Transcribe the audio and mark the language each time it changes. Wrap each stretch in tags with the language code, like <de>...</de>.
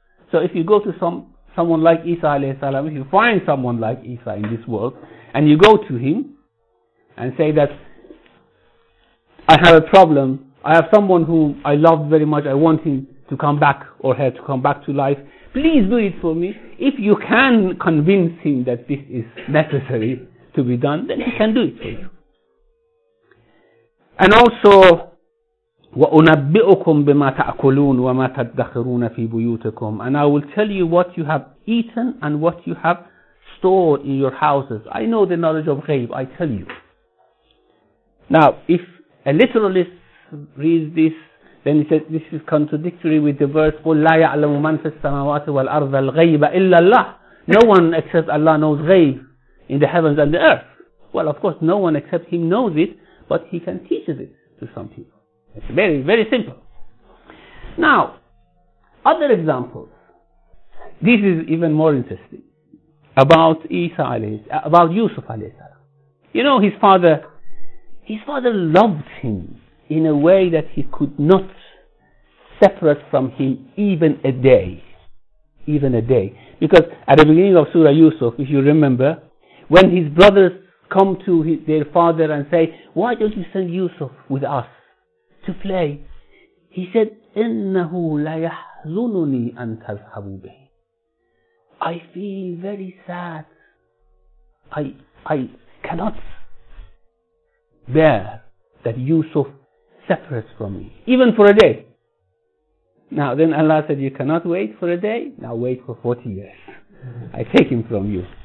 <en>So if you go to someone like Isa alayhi salam, if you find someone like Isa in this world, and you go to him and say that, I have a problem, I have someone whom I love very much, I want him to come back or her to come back to life, please do it for me. If you can convince him that this is necessary to be done, then he can do it for you. And also,</en> <ar>وَأُنَبِّئُكُمْ بِمَا تَأْكُلُونَ وَمَا تَدَّخِرُونَ فِي بُيُوتِكُمْ.</ar> <en>And I will tell you what you have eaten and what you have stored in your houses. I know the knowledge of ghaib, I tell you. Now, if a literalist reads this, then he says this is contradictory with the verse,</en> <ar>قُلْ لَا يَعْلَمُ مَنْ فِي السَّمَوَاتِ وَالْأَرْضَ الْغَيْبَ إِلَّا اللَّهِ.</ar> <en>No one except Allah knows ghaib in the heavens and the earth. Well, of course, no one except Him knows it, but He can teach it to some people. It's very, very simple. Now, other examples. This is even more interesting. About Isa alayhi salam, about Yusuf alayhi salam. You know, his father loved him in a way that he could not separate from him even a day. Even a day. Because at the beginning of Surah Yusuf, if you remember, when his brothers come to their father and say, why don't you send Yusuf with us to play? He said,</en> <ar>إِنَّهُ لَيَحْزُنُنِي أَن تَذْحَبُوا بِهِ.</ar> <en>I feel very sad. I cannot bear that Yusuf separates from me, even for a day. Now then Allah said, you cannot wait for a day, now wait for 40 years. I take him from you.</en>